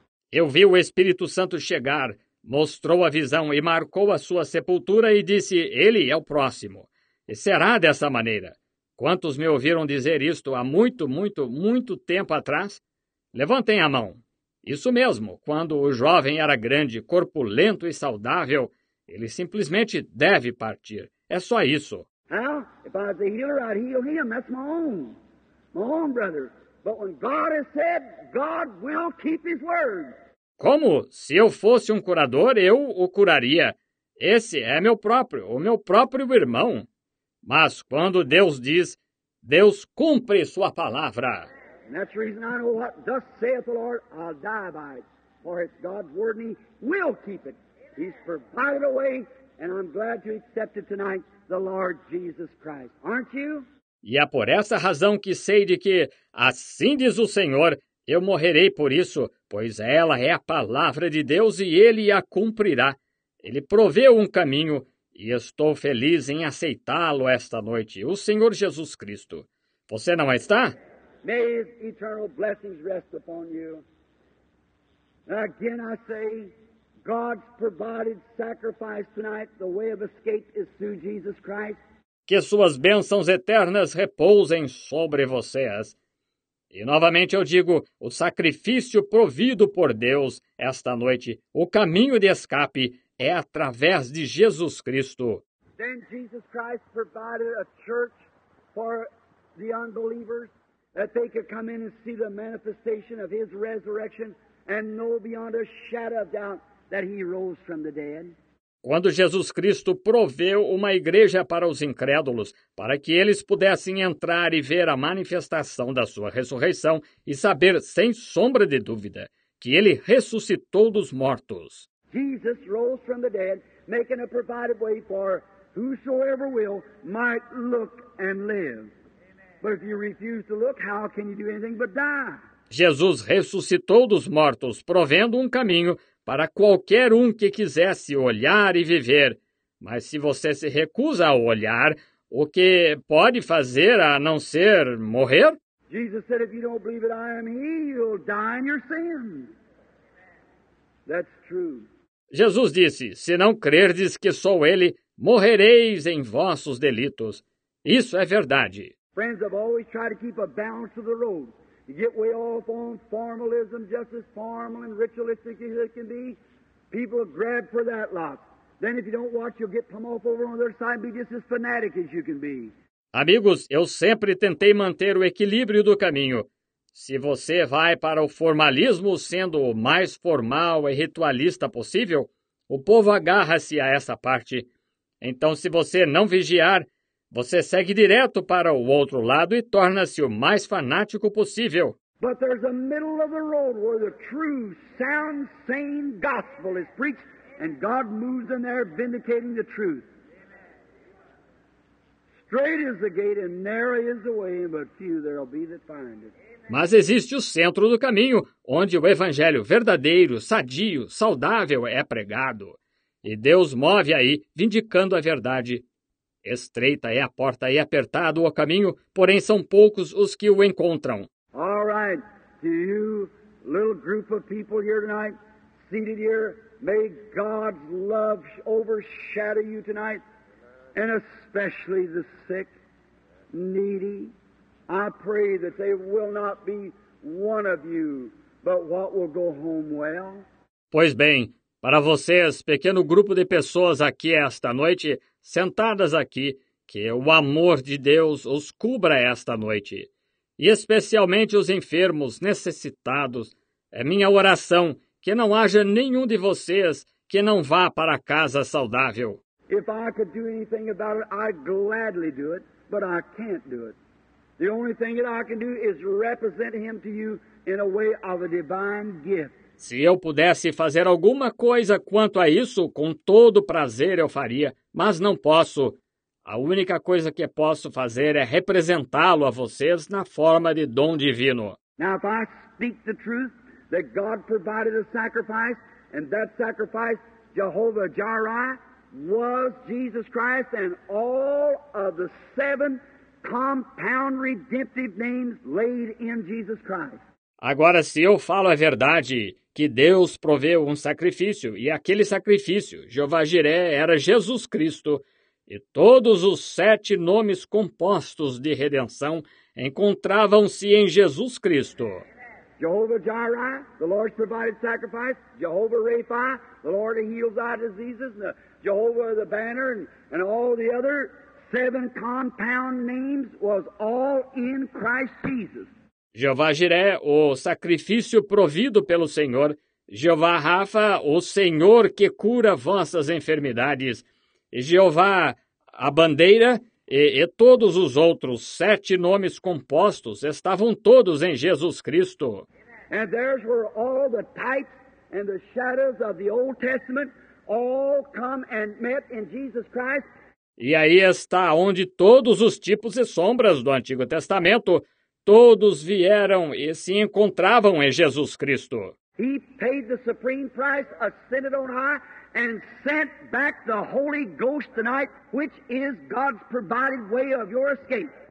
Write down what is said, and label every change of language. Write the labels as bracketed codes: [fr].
[pt] Eu vi o Espírito Santo chegar, mostrou a visão e marcou a sua sepultura e disse, ele é o próximo. E será dessa maneira. Quantos me ouviram dizer isto há muito, muito, muito tempo atrás? Levantem a mão. Isso mesmo, quando o jovem era grande, corpulento e saudável, ele simplesmente deve partir. É só isso. [en] Well, if I was a healer, I'd heal him. That's my own brother. But when God has said, God will keep his word. [pt] Como? Se eu fosse um curador, eu o curaria. Esse é o meu próprio irmão. Mas quando Deus diz, Deus cumpre sua palavra. [en] And that's the reason I know what thus saith the Lord, I'll die by it. For it's God's word and he will keep it. He's provided a way, and I'm glad you accepted tonight the Lord Jesus Christ. Aren't you? [pt] E é por essa razão que sei de que, assim diz o Senhor, eu morrerei por isso, pois ela é a palavra de Deus e ele a cumprirá. Ele proveu um caminho e estou feliz em aceitá-lo esta noite, o Senhor Jesus Cristo. Você não está? [en] May his eternal blessings rest upon you. Again I say, God's provided sacrifice tonight, the way of escape is through Jesus Christ. [pt] Que suas bênçãos eternas repousem sobre vocês. E novamente eu digo, o sacrifício provido por Deus esta noite, o caminho de escape é através de Jesus Cristo. [en] Then Jesus Christ provided a church for the unbelievers that they could come in and see the manifestation of his resurrection and know beyond a shadow of doubt that he rose from the dead. [pt] Quando Jesus Cristo proveu uma igreja para os incrédulos, para que eles pudessem entrar e ver a manifestação da sua ressurreição e saber, sem sombra de dúvida, que ele ressuscitou dos mortos. [en] Jesus rose from the dead, making a provided way for whosoever will might look and live. But if you refuse to look, how can you do anything but die? [pt] Jesus ressuscitou dos mortos, provendo um caminho para qualquer um que quisesse olhar e viver. Mas se você se recusa a olhar, o que pode fazer a não ser morrer? [en] Jesus said, if you don't believe that I am he, you'll die in your sins. That's true. [pt] Jesus disse, se não crerdes que sou ele, morrereis em vossos delitos. Isso é verdade. [en] Friends, I've always tried to keep a balance of the road. You get way off on formalism, just as formal and ritualistic as it can be. People grab for that lot. Then if you don't watch, you'll get come off over on the other side and be just as fanatic as you can be. [pt] Amigos, eu sempre tentei manter o equilíbrio do caminho. Se você vai para o formalismo sendo o mais formal e ritualista possível, o povo agarra-se a essa parte. Então, se você não vigiar, você segue direto para o outro lado e torna-se o mais fanático possível. [en] But there's a middle of the road where the true, sound, sane gospel is preached and God moves in there vindicating the truth. Straight is the gate and narrow is the way, but few there'll be that find it. [pt] Mas existe o centro do caminho, onde o evangelho verdadeiro, sadio, saudável é pregado. E Deus move aí, vindicando a verdade. Estreita é a porta e apertado o caminho, porém são poucos os que o encontram. [en] All right, to you, little group of people here tonight, seated here, may God's love overshadow you tonight. And especially the sick, needy, I pray that they will not be one of you, but what will go home well. [pt] Pois bem, para vocês, pequeno grupo de pessoas aqui esta noite, sentadas aqui, que o amor de Deus os cubra esta noite. E especialmente os enfermos, necessitados, é minha oração que não haja nenhum de vocês que não vá para casa saudável. [en] If I could do anything about it, I'd gladly do it, but I can't do it. The only thing that I can do is represent him to you in a way of a divine gift. [pt] Se eu pudesse fazer alguma coisa quanto a isso, com todo prazer eu faria, mas não posso. A única coisa que posso fazer é representá-lo a vocês na forma de dom divino. [en] Now, if I speak the truth that God provided a sacrifice, and that sacrifice, Jehovah Jireh, was Jesus Christ and all of the seven compound redemptive names laid in Jesus Christ. [pt] Agora, se eu falo a verdade, que Deus proveu um sacrifício, e aquele sacrifício, Jeová Jiré, era Jesus Cristo, e todos os sete nomes compostos de redenção encontravam-se em Jesus Cristo. [en] Jehovah Jireh, the Lord's provided sacrifice, Jehovah Rapha, the Lord who heals our diseases, and the Jehovah the Banner and all the other seven compound names was all in Christ Jesus. [pt] Jeová Jiré, o sacrifício provido pelo Senhor. Jeová Rafa, o Senhor que cura vossas enfermidades. Jeová, a bandeira e todos os outros sete nomes compostos estavam todos em Jesus Cristo. [en] And there were all the types and the shadows of the Old Testament. All come and met in Jesus Christ. [pt] E aí está onde todos os tipos e sombras do Antigo Testamento, todos vieram e se encontravam em Jesus Cristo. [en] He paid the supreme price, ascended on high, and sent back the Holy Ghost tonight, which is God's provided way of your escape.